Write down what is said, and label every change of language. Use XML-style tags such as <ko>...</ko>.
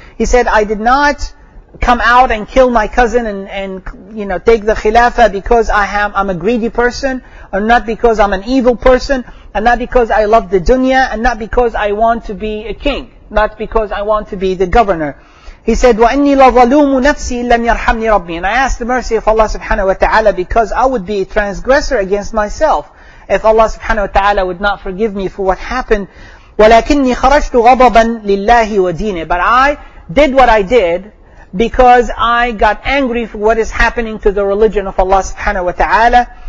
<en>He said, "I did not come out and kill my cousin and you know take the Khilafah because I'm a greedy person, or not because I'm an evil person, and not because I love the dunya, and not because I want to be a king, not because I want to be the governor." He said,</en> <ar>"وَإِنِّي لَظَلُومُ نَفْسِي إِلَّمْ يَرْحَمْنِي رَبِّي."</ar> <en>And I asked the mercy of Allah subhanahu wa ta'ala, because I would be a transgressor against myself if Allah subhanahu wa ta'ala would not forgive me for what happened.</en> <ar>وَلَكِنِّي خَرَجْتُ غَضَبًا لِلَّهِ وَدِينِهِ.</ar> <en>But I did what I did because I got angry for what is happening to the religion of Allah subhanahu wa ta'ala.</en>